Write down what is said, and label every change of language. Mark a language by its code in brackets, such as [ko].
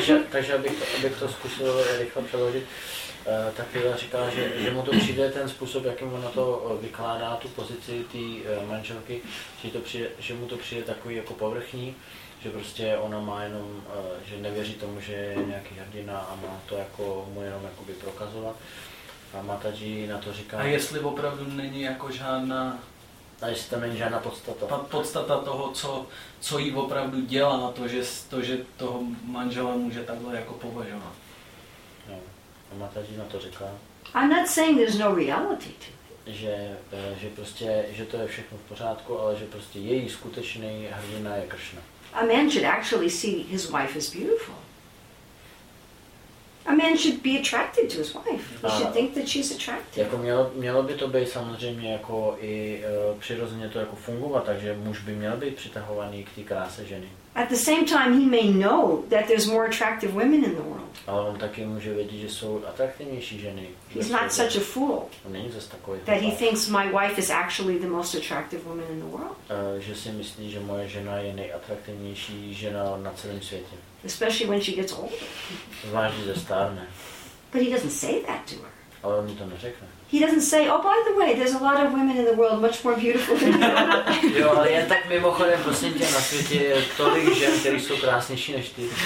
[cs] takže abych to zkusil rychle přeložit, tak Pila říká, že mu to přijde ten způsob, jakým ona to vykládá, tu pozici té manželky, že mu to přijde takový jako povrchní, že prostě ona má jenom, že nevěří tomu, že je nějaký hrdina a má to jako mu jenom jakoby prokazovat. A Mataji na to říká... A jestli opravdu není jako žádná... A jestli tam není žádná podstata. Podstata toho, co jí opravdu dělá, to, že toho manžela může takhle jako považovat. No. A Mataji na to říká. [en] I'm not saying there's no reality to it. [cs] Že prostě, že to je všechno v pořádku, ale že prostě její skutečný hrdina je Krishna. [en] A man should actually see his wife as beautiful. A man man should be attracted to his wife. He should think that she's attractive. [cs] Jako mělo by to být samozřejmě jako i přirozeně to jako fungovat, takže muž by měl být přitahovaný k té kráse ženy. [en] At the same time, he may know that there's more attractive women in the world. [cs] Ale on taky může vědět, že jsou atraktivnější ženy. [en] He's not such a fool. [cs] On není zas takový. [en] That he thinks my wife is actually the most attractive woman in the world. [cs] Že si myslí, že moje žena je nejatraktivnější žena na celém světě. [en] Especially when she gets older. [cs] Zvlášť, když se stárne. [en] But he doesn't say that to her. [cs] Ale on to neřekne. [en] He doesn't say, oh, by the way, there's a lot of women in the world much more beautiful than you. [cs] Jo, ale jen tak mimochodem, prosím tě, na světě je tolik žen, které jsou krásnější než ty.